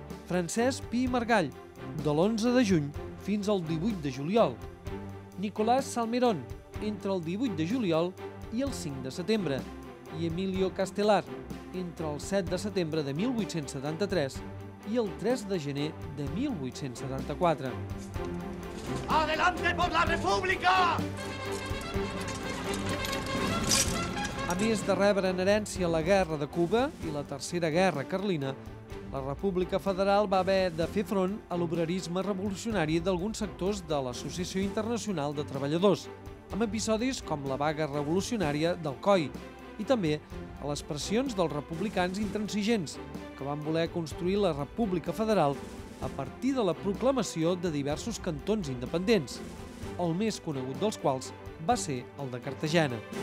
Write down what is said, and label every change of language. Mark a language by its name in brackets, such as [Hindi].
[Catalan] Francesc Pi i Margall, de l'11 de juny fins al 18 de juliol. Nicolás Salmerón, entre el 18 de juliol i el 5 de setembre. I Emilio Castelar, entre el 7 de setembre de 1873 i el 3 de gener de 1874. [Spanish] ¡Adelante por la República! [Catalan] A més de rebre en herència la Guerra de Cuba i la Tercera Guerra Carlina, la República Federal va haver de fer front a l'obrerisme revolucionari d'alguns sectors de l'Associació Internacional de Treballadors, amb episodis com la vaga revolucionària del COI i també a les pressions dels republicans intransigents, que van voler construir la República Federal a partir de la proclamació de diversos cantons independents, el més conegut dels quals va ser el de Cartagena.